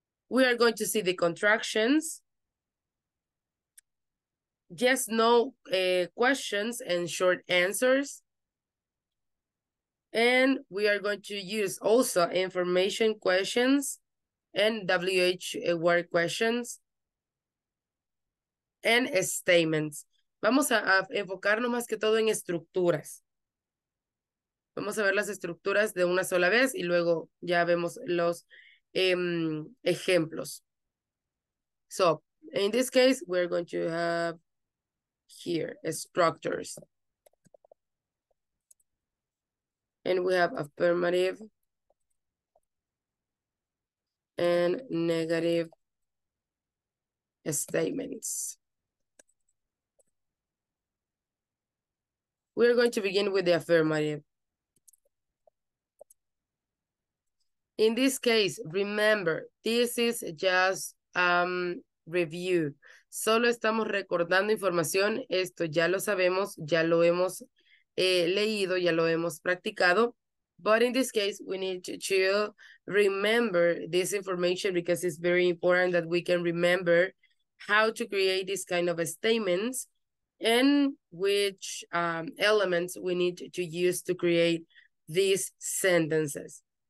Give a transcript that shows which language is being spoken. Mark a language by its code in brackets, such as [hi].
[en] We are going to see the contractions, yes, no questions and short answers. And we are going to use also information questions and WH word questions and statements. [es] Vamos a enfocarnos más que todo en estructuras. Vamos a ver las estructuras de una sola vez y luego ya vemos los ejemplos. [en] So, in this case, we're going to have here structures. And we have affirmative and negative statements. We're going to begin with the affirmative. In this case, remember, this is just review. [es] Solo estamos recordando información. Esto ya lo sabemos, ya lo hemos leído, ya lo hemos practicado. [en] But in this case, we need to remember this information because it's very important that we can remember how to create this kind of statements and which elements we need to use to create these sentences.